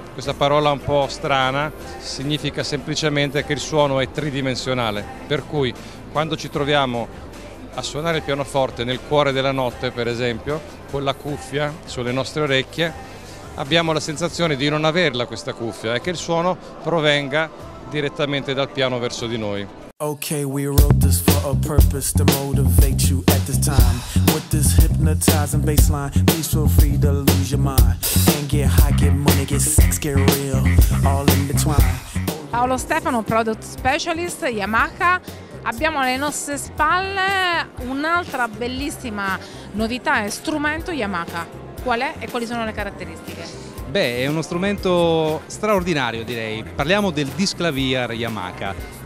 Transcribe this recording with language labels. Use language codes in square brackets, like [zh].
[it] Questa parola un po' strana significa semplicemente che il suono è tridimensionale, per cui quando ci troviamo a suonare il pianoforte nel cuore della notte, per esempio, con la cuffia sulle nostre orecchie, abbiamo la sensazione di non averla questa cuffia e che il suono provenga direttamente dal piano verso di noi. [en] Okay, we wrote this for a purpose to motivate you at this time. With this hypnotizing bassline, please feel free to lose your mind. And get high, get money, get sex, get real, all in between. Paolo Stefano, Product Specialist, Yamaha. [it] Abbiamo alle nostre spalle un'altra bellissima novità, strumento Yamaha. Qual è e quali sono le caratteristiche? Beh, è uno strumento straordinario, direi. Parliamo del Disclavier Yamaha.